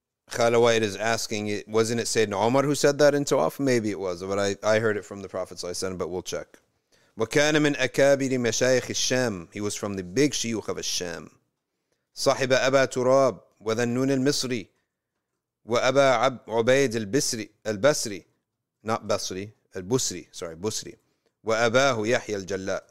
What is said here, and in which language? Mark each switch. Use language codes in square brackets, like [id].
[en] Khala White is asking, wasn't it Sayyidina Umar who said that in Tawaf? Maybe it was, but I heard it from the Prophet صلى الله عليه وسلم, but we'll check. [ar] وكان من أكابر مشايخ الشام. [en] He was from the big shiyukh of Sham. [ar] صاحب أبا تراب وذنون المصري وأبا عبيد البصري البصري not بصري البصري sorry بصري وأباه يحيى الجلاء.